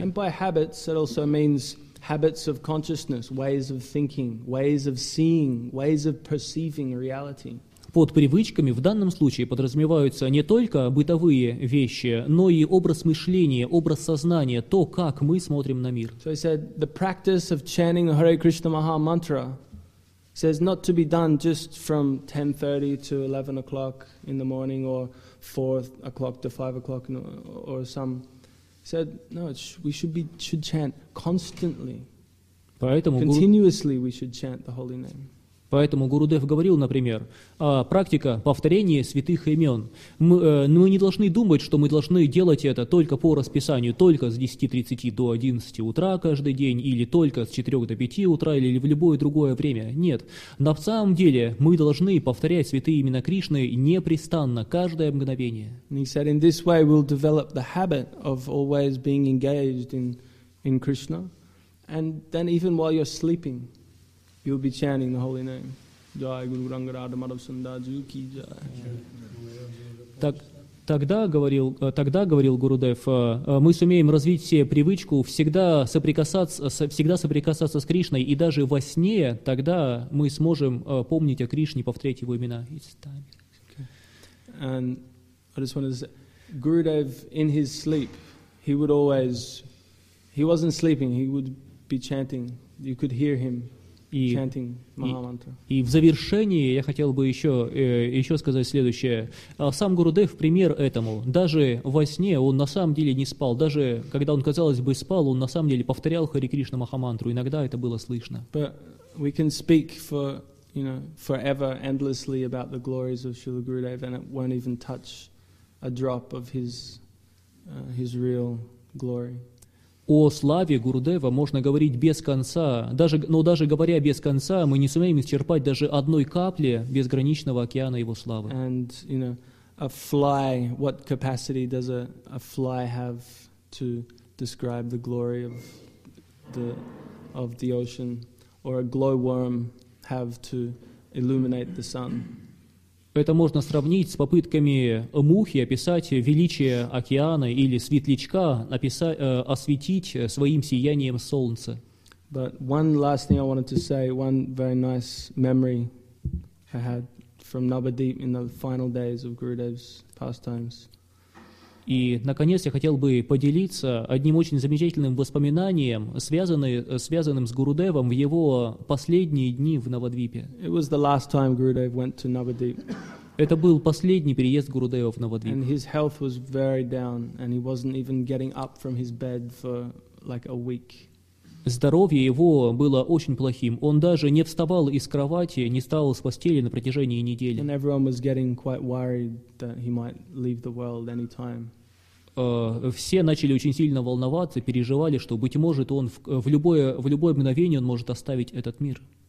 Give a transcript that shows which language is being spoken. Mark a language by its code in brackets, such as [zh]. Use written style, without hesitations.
[en] And by habits, it also means habits of consciousness, ways of thinking, ways of seeing, ways of perceiving reality. [ru] Под привычками в данном случае подразумеваются не только бытовые вещи, но и образ мышления, образ сознания, то, как мы смотрим на мир. [en] So he said, the practice of chanting the Hare Krishna Maha Mantra says not to be done just from 10:30 to 11 o'clock in the morning or 4 o'clock to 5 o'clock or some. He said, no, we should chant constantly. Continuously we should chant the holy name. [ru] Поэтому Гурудев говорил, например, практика повторения святых имен. Мы не должны думать, что мы должны делать это только по расписанию, только с 10:30 до 11 утра каждый день, или только с 4 до 5 утра, или в любое другое время. Нет. На самом деле мы должны повторять святые имена Кришны непрестанно, каждое мгновение. [en] And he said, in this way we'll develop the habit of always being engaged in Krishna. And then even while you're sleeping, you'll be chanting the holy name. Jai Guru Ranga Radha Madhav Sundar Juki Jai. [ru] Тогда говорил Гурудев, мы сумеем развить себе привычку всегда соприкасаться с Кришной, и даже во сне тогда мы сможем помнить о Кришне, повторять его имена. [en] It's time. Okay. And I just wanted to say, Gurudev, in his sleep, he wasn't sleeping, he would be chanting. You could hear him. [ru] И в завершении я хотел бы еще сказать следующее. Сам Гурудев пример этому. Даже во сне он на самом деле не спал. Даже когда он, казалось бы, спал, он на самом деле повторял Хари Кришна Махамантру. Иногда это было слышно. [en] But we can speak for, you know, forever, endlessly about the glories of Srila Gurudev, and it won't even touch a drop of his real glory. [ru] О славе Гурудева можно говорить без конца, даже говоря без конца, мы не сумеем исчерпать даже одной капли безграничного океана его славы. [en] And, you know, a fly, what capacity does a fly have to describe the glory of the ocean, or a glowworm have to illuminate the sun? [ru] Это можно сравнить с попытками мухи описать величие океана или светлячка осветить своим сиянием солнца. [en] But one last thing I wanted to say, one very nice memory I had from Nabadeep in the final days of Gurudev's pastimes. [ru] И, наконец, я хотел бы поделиться одним очень замечательным воспоминанием, связанным с Гурудевом в его последние дни в Навадвипе. [en] It was the last time Gurudev went to Navadvip. [ru] Это был последний переезд Гурудева в Навадвип. [en] And his health was very down, and he wasn't even getting up from his bed for like a week. [ru] Здоровье его было очень плохим. Он даже не вставал из кровати, не вставал с постели на протяжении недели. [en] And everyone was getting quite worried that he might leave the world anytime. [ru] Все начали очень сильно волноваться, переживали, что, быть может, он в любое мгновение он может оставить этот мир.